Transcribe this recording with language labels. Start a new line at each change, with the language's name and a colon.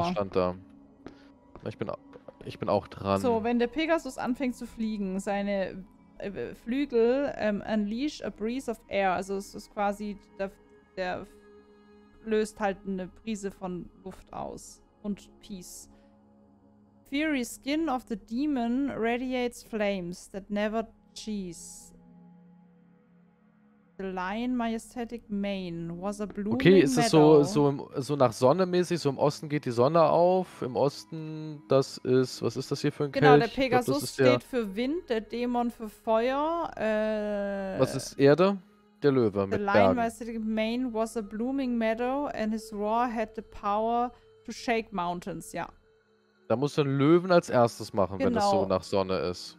German: Was stand da? Ich bin auch dran. So, wenn der Pegasus anfängt zu fliegen, seine Flügel
English: unleash a breeze of air.
German: Also es ist quasi, der löst halt eine Brise von Luft aus. Und Peace.
English: Fiery skin of the demon radiates flames that never cease. The Lion Majestic Mane was a blooming meadow.
German: Okay, ist es so nach Sonne mäßig, so im Osten geht die Sonne auf, im Osten, das ist, was ist das hier für ein Kelch? Genau, der Pegasus steht für Wind, der Dämon für Feuer, Was ist Erde? Der Löwe mit Bergen.
English: The Lion Majestic Mane was a blooming meadow and his roar had the power to shake mountains, ja.
German: Da muss du einen Löwen als erstes machen, genau. Wenn es so nach Sonne ist.